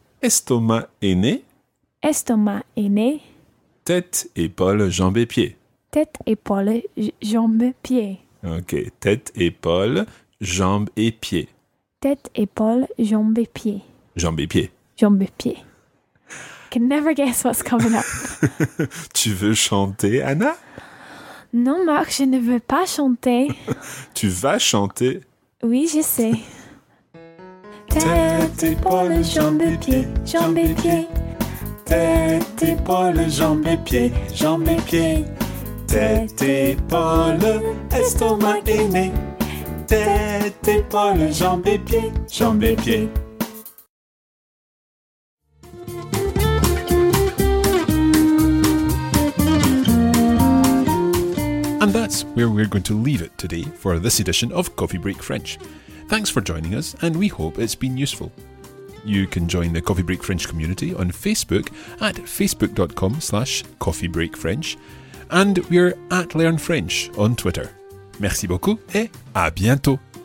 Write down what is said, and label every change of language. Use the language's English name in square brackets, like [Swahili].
[French] Estomac et nez. Estomac et nez. Tête, épaule, jambes et pieds. Tête, épaule, jambes et pieds. Ok. Tête, épaule, jambes et pieds. Tête, épaule, jambes et pieds. Jambes et pieds. Jambes et pieds. [English] Can never guess what's coming up. [French] Tu veux chanter, Anna? Non, Marc, je ne veux pas chanter. Tu vas chanter. Oui, je sais. Tête, épaule, jambes et pieds, jambes et pieds. Tête, épaule, jambes et pieds, jambes et pieds. Tête, épaule, estomac et nez. Tête, épaule, jambes et pieds, jambes et pieds. [English] And that's where we're going to leave it today for this edition of Coffee Break French. Thanks for joining us, and we hope it's been useful. You can join the Coffee Break French community on Facebook at facebook.com/coffeebreakfrench, and we're at Learn French on Twitter. [French] Merci beaucoup et à bientôt!